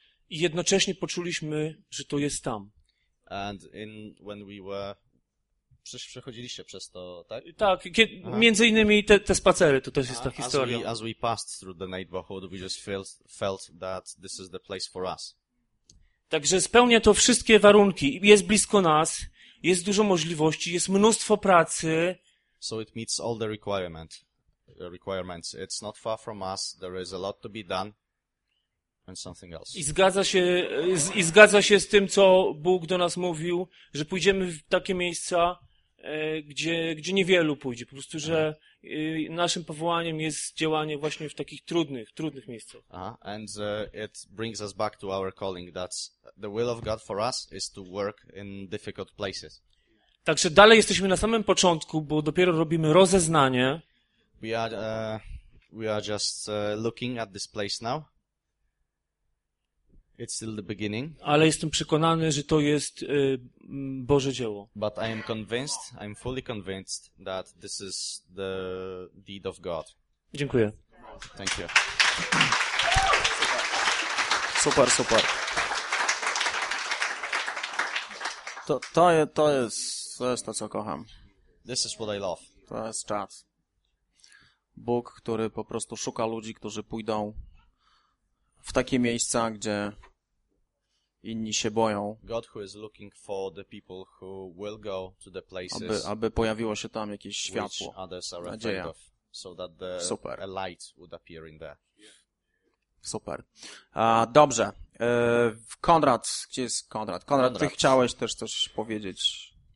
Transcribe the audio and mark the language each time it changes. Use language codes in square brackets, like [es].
[pl] I jednocześnie poczuliśmy, że to jest tam. [en] And when we were [pl] przechodziliście przez to, tak? Tak, między innymi te spacery, to też jest ta historia. [en] As we passed through the neighborhood, we just felt that this is the place for us. [pl] Także spełnia to wszystkie warunki. Jest blisko nas, jest dużo możliwości, jest mnóstwo pracy. [en] So it meets all the requirements. It's not far from us, there is a lot to be done and something else. [pl] I zgadza się z tym, co Bóg do nas mówił, że pójdziemy w takie miejsca, gdzie niewielu pójdzie. Po prostu, że naszym powołaniem jest działanie właśnie w takich trudnych miejscach. [en] It brings us back to our calling, that the will of God for us is to work in difficult places. [pl] Także dalej jesteśmy na samym początku, bo dopiero robimy rozeznanie. [en] We are just looking at this place now. It's still the beginning. [pl] Ale jestem przekonany, że to jest Boże dzieło. [en] But I am convinced, I'm fully convinced that this is the deed of God. [pl] Dziękuję. [en] Thank you. [pl] Super, super. To jest to, co kocham. [en] This is what I love. [pl] To jest czas. Bóg, który po prostu szuka ludzi, którzy pójdą w takie miejsca, gdzie inni się boją. [en] God who is looking for the people who will go to the places. [pl] Aby pojawiło się tam jakieś światło. [en] Which others are afraid of, so that the [pl] super. [en] A light would appear in there. Super. Dobrze. Konrad, gdzie jest Konrad? Konrad, ty chciałeś też coś powiedzieć.